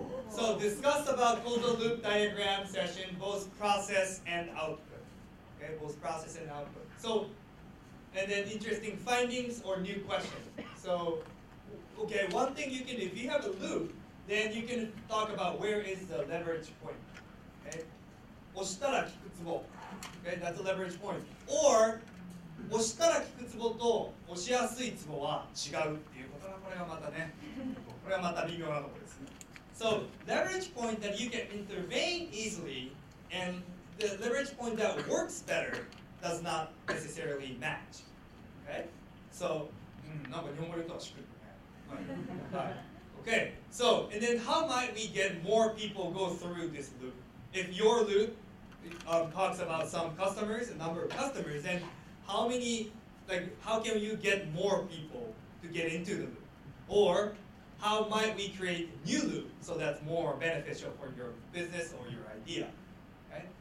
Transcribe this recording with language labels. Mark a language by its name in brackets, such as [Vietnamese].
[English] So discuss about closed loop diagram session, both process and output. Okay, both process and output. So, and then interesting findings or new questions. So, okay, one thing you can do, if you have a loop, then you can talk about where is the leverage point, okay? Okay, that's a leverage point. [Japanese] Or, 押したら効くツボと押しやすいツボは違うっていうことが、これはまたね、これはまた微妙なところですね。 [English] So, leverage point that you can intervene easily and the leverage point that works better does not necessarily match. Okay? [Japanese] So, なんか日本語で言うとはしくるね。はい。 [English] Okay, so, and then how might we get more people go through this loop? If your loop talks about some customers, a number of customers, then how many, like, how can you get more people to get into the loop? Or how might we create a new loop so that's more beneficial for your business or your idea? Okay?